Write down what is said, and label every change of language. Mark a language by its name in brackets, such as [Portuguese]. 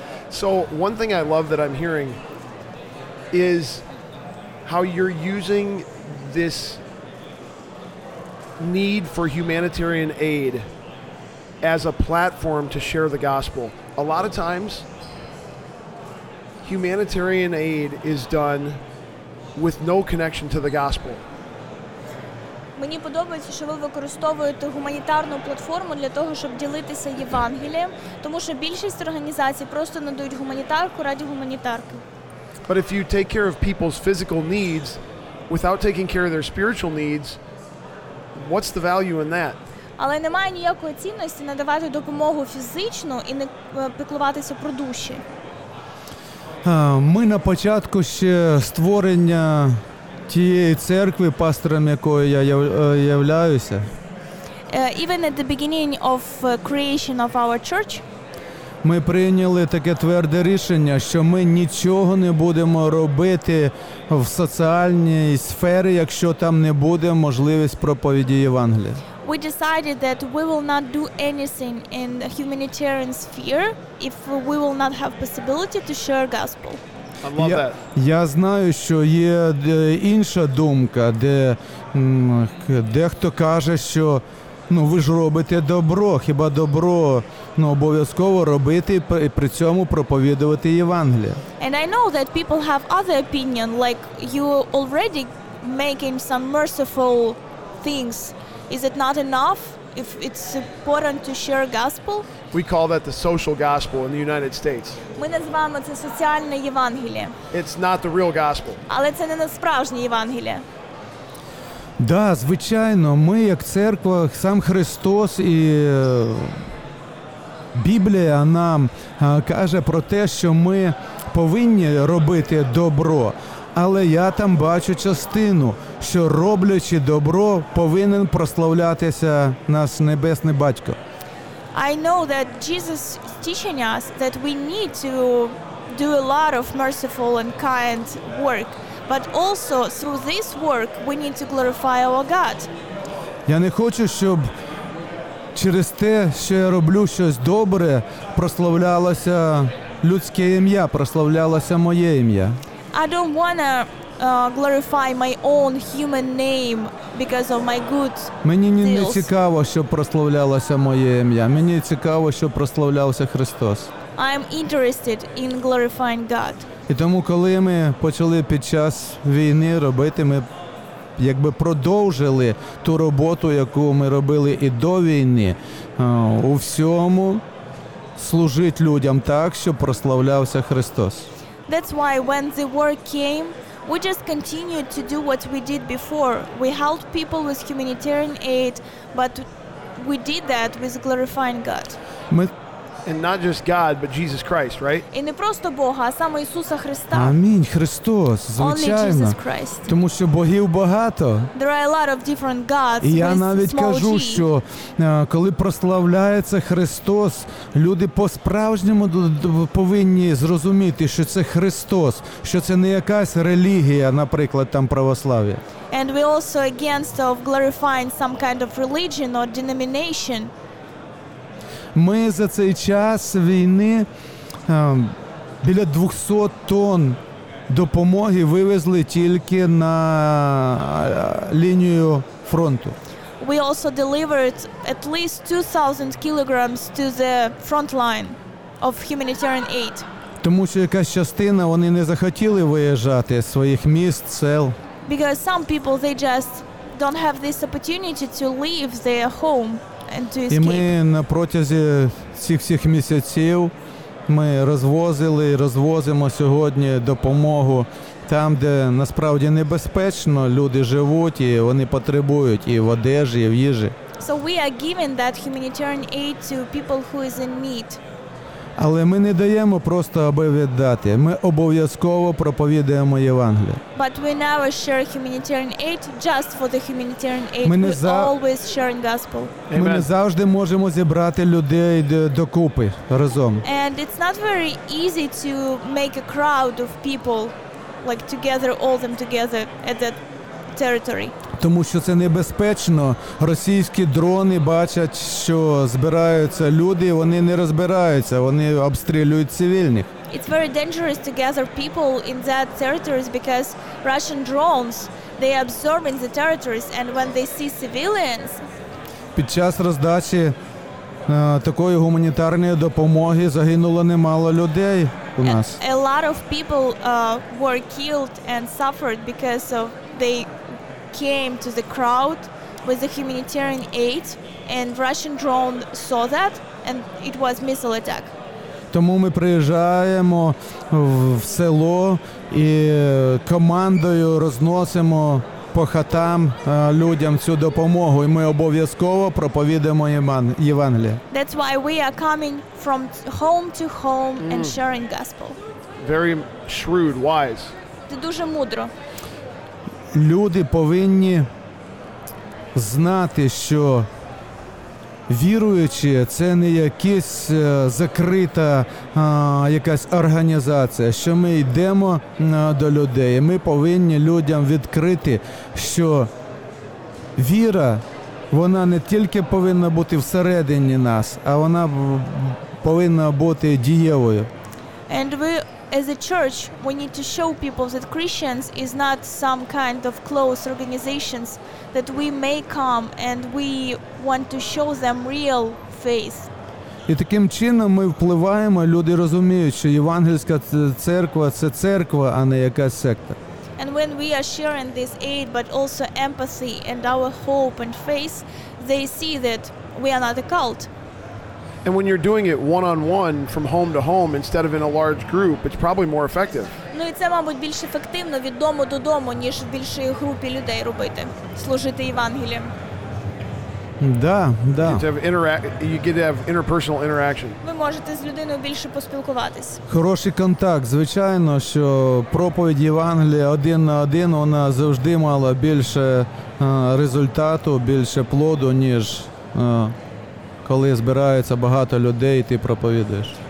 [English] So, one thing I love that I'm hearing is how you're using this need for humanitarian aid as a platform to share the gospel. A lot of times, humanitarian aid is done with no connection to the gospel. [Ukrainian] Мені подобається, що ви використовуєте гуманітарну платформу для того, щоб ділитися Євангелієм, тому що більшість організацій просто надають гуманітарку ради гуманітарки. [English] But if you take care of people's physical needs without taking care of their spiritual needs, what's the value in that? [Ukrainian] Але немає ніякої цінності надавати допомогу фізичну і не піклуватися про душі. Ми на початку ще створення тієї церкви, пастором якої я являюся. [English] Even at the beginning of creation of our church, [Ukrainian] ми прийняли таке тверде рішення, що ми нічого не будемо робити в соціальній сфері, якщо там не буде можливість проповіді Євангелія. [English] We decided that we will not do anything in the humanitarian sphere if we will not have possibility to share gospel. I love that. [Ukrainian] Я знаю, що є інша думка, де дехто каже, що ну ви ж робите добро, хіба добро ну обов'язково робити і при цьому проповідувати Євангеліє. [English] And I know that people have other opinion, like you already making some merciful things. Is it not enough if it's important to share gospel? We call that the social gospel in the United States. [Ukrainian] Ми називаємо це соціальне Євангеліє. [English] It's not the real gospel. [Ukrainian] Але це не насправжнє Євангеліє. Да, звичайно, ми як церква, сам Христос і Біблія нам каже про те, що ми повинні робити добро. але я там бачу частину, що роблячи добро, повинен прославлятися наш небесний батько. [English] I know that Jesus is teaching us that we need to do a lot of merciful and kind work, but also through this work we need to glorify our God. [Ukrainian] Я не хочу, щоб через те, що я роблю щось добре, прославлялося людське ім'я, прославлялося моє ім'я. [English] I don't want to glorify my own human name because of my good deals. [Ukrainian] Мені не цікаво, щоб прославлялося моє ім'я. Мені цікаво, щоб прославлявся Христос. [English] I'm interested in glorifying God. [Ukrainian] І тому, коли ми почали під час війни робити, ми якби продовжили ту роботу, яку ми робили і до війни, у всьому служити людям так, щоб прославлявся Христос. [English] That's why when the war came, we just continued to do what we did before. We helped people with humanitarian aid, but we did that with glorifying God. And not just God, but Jesus Christ, right? [Ukrainian] І не просто Бога, а саме Ісуса Христа. Амінь, Христос, звичайно. [English] Only Jesus Christ. [Ukrainian] Тому що богів багато. [English] There are a lot of different gods. [Ukrainian] І я навіть кажу, що коли прославляється Христос, люди по-справжньому повинні зрозуміти, що це Христос, що це не якась релігія, наприклад, там православ'я. [English] And we also against of glorifying some kind of religion or denomination. [Ukrainian] Ми за цей час війни біля 200 тонн допомоги вивезли тільки на лінію фронту. [English] We also delivered at least 2000 kilograms to the front line of humanitarian aid. [Ukrainian] Тому що якась частина, вони не захотіли виїжджати з своїх міст, сел. [English] Because some people they just don't have this opportunity to leave their home. [Ukrainian] І ми на протязі цих всіх місяців ми розвозили і розвозимо сьогодні допомогу там, де насправді небезпечно, люди живуть і вони потребують і в одежі, і в їжі. [English] So we are giving that humanitarian aid to people who is in need. [Ukrainian] Але ми не даємо просто аби віддати. Ми обов'язково проповідуємо Євангеліє. [English] But we never share humanitarian aid just for the humanitarian aid. Always sharing gospel. [Ukrainian] Ми не завжди можемо зібрати людей докупи разом. [English] And it's not very easy to make a crowd of people like together all them together at that territory. [Ukrainian] Тому що це небезпечно. Російські дрони бачать, що збираються люди, вони не розбираються, вони обстрілюють цивільних. [English] It's very dangerous to gather people in that territories because Russian drones, they are observing the territories and when they see civilians. [Ukrainian] Під час роздачі такої гуманітарної допомоги загинуло немало людей у нас. [English] A lot of people were killed and suffered because of they came to the crowd with the humanitarian aid and Russian drone saw that and it was missile attack. [Ukrainian] Тому ми приїжджаємо в село і командою розносимо по хатам людям цю допомогу і ми обов'язково проповідуємо Євангеліє. [English] That's why we are coming from home to home and sharing gospel. Very shrewd, wise. [Ukrainian] Це дуже мудро. Люди повинні знати, що віруючі – це не якась закрита якась організація, що ми йдемо до людей. Ми повинні людям відкрити, що віра, вона не тільки повинна бути всередині нас, а вона повинна бути дієвою. [English] As a church, we need to show people that Christians is not some kind of close organizations, that we may come and we want to show them real faith. [Ukrainian] І таким чином ми впливаємо, люди розуміють, що Євангельська церква – це церква, а не якась секта. [English] And when we are sharing this aid, but also empathy and our hope and faith, they see that we are not a cult. And when you're doing it one-on-one from home to home instead of in a large group, it's probably more effective. [Ukrainian] Ну, і це, мабуть, більш ефективно від дому додому, ніж в більшій групі людей робити, служити Євангелієм. Да, да. [English] You get to have interpersonal interaction. [Ukrainian] Ви можете з людиною більше поспілкуватись. Хороший контакт, звичайно, що проповідь Євангелія один на один, вона завжди мала більше результату, більше плоду, ніж коли збирається багато людей і ти проповідаєш.